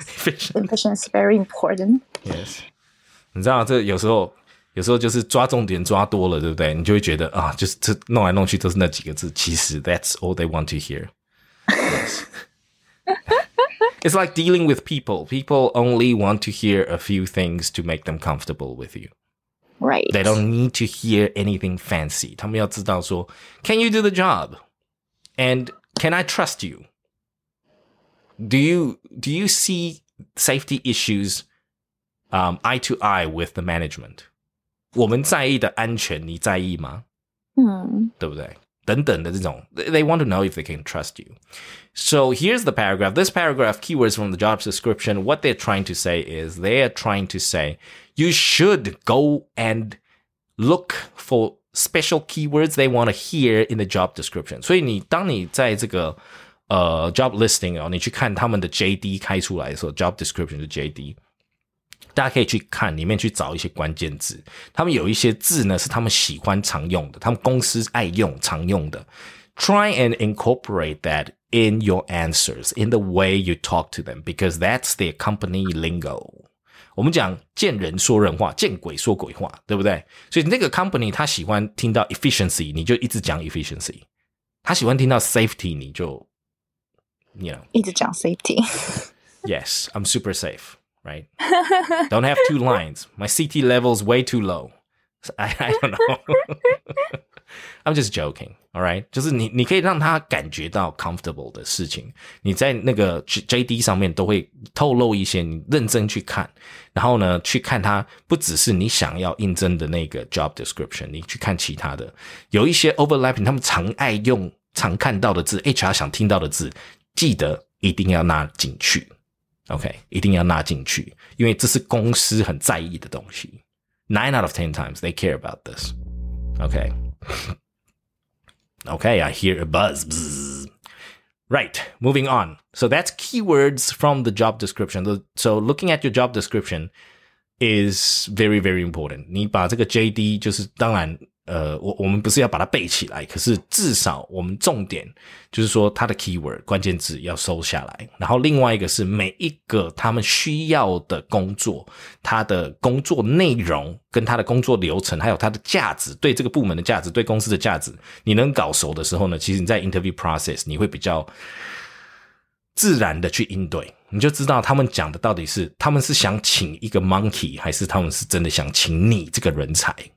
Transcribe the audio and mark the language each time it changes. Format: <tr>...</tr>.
<en>Efficient is very important.</en> <zh>Yes. 你知道这有时候就是抓重点抓多了，对不对？你就会觉得啊，就是这弄来弄去都是那几个字。其实</zh> <en>that's all they want to hear. Yes. It's like dealing with people. People only want to hear a few things to make them comfortable with you. Right. They don't need to hear anything fancy.</en> <zh>他们要知道说</zh> <en>can you do the job? And can I trust you? Do you see safety issues eye to eye with the management?</en> <zh>我们在意的安全你在意吗？对不对？等等的这种</zh> <en>They want to know if they can trust you. So here's the paragraph. This paragraph, keywords from the job description, what they're trying to say is they're trying to say you should go and look for special keywords they want to hear in the job description.</en> <zh>所以你当你在这个job listing 哦，你去看他们的 JD 开出来的时候 ，job description 是 JD， 大家可以去看里面去找一些关键字。他们有一些字呢是他们喜欢常用的，他们公司爱用常用的。</zh> <en>Try and incorporate that in your answers, in the way you talk to them, because that's their company lingo.</en> <zh>我们讲见人说人话，见鬼说鬼话，对不对？所以那个 company 他喜欢听到 efficiency， 你就一直讲 efficiency； 他喜欢听到 safety， 你就You know, 一直讲 safety.</zh> <en>Yes, I'm super safe, right? Don't have two lines. My CT level is way too low. I don't know. I'm just joking, all right? 就是 你可以让他感觉到 comfortable 的事情，你在那个 JD 上面都会透露一些，你认真去看，然后呢，去看他不只是你想要应征的那个 job description, 你去看其他的，有一些 overlapping, 他们常爱用、常看到的字 ,HR 想听到的字记得一定要纳进去 ，OK， 一定要纳进去，因为这是公司很在意的东西。 Nine out of ten times they care about this. Okay, I hear a buzz. Right, moving on. So that's keywords from the job description. So looking at your job description is very, very important.</en> <zh>你把这个 JD 就是当然。我们不是要把它背起来，可是至少我们重点就是说它的 keyword 关键字要收下来，然后另外一个是每一个他们需要的工作，他的工作内容跟他的工作流程，还有他的价值，对这个部门的价值，对公司的价值，你能搞熟的时候呢，其实你在 interview process 你会比较自然的去应对，你就知道他们讲的到底是他们是想请一个 monkey 还是他们是真的想请你这个人才。</zh>